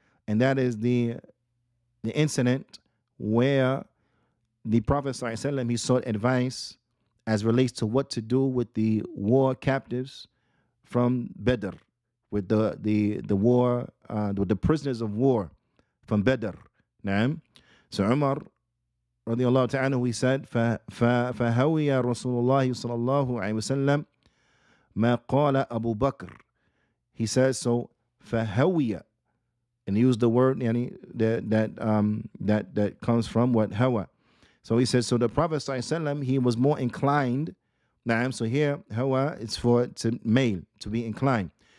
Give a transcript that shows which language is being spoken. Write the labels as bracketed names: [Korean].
[English] And that is the incident where the Prophet ﷺ, he sought advice as relates to what to do with the war captives from Badr, with the prisoners of war from Badr. Naam. So Umar radiallahu ta'ala, he said, [Arabic] فَهَوِيَ رَسُولُ اللَّهِ صَلَى اللَّهُ عَلَيْهِ وَسَلَّمْ مَا قَالَ أَبُو بَكْرِ. [English] He says, so فَهَوِيَ, and he used the word yani, that comes from what? Hawa. So he says, so the Prophet ﷺ, he was more inclined. Naam. So here, hawa, it's for to male, to be inclined.